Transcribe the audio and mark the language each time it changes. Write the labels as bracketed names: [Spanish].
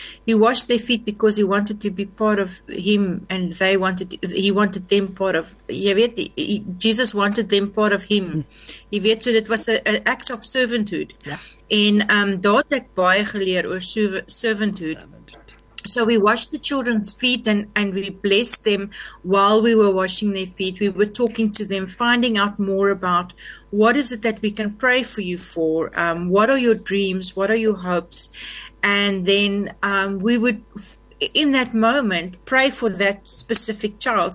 [English] He washed their feet because he wanted to be part of him and he wanted them part of, [Afrikaans] jy weet, [English] Jesus wanted them part of him. [Afrikaans] Mm. Jy weet, so dit was [English] a act of servanthood. Yeah. [Afrikaans] En daar het ek baie geleer oor servanthood. [English] So we washed the children's feet and we blessed them while we were washing their feet. We were talking to them, finding out more about what is it that we can pray for you for? What are your dreams? What are your hopes? And then we would, in that moment, pray for that specific child.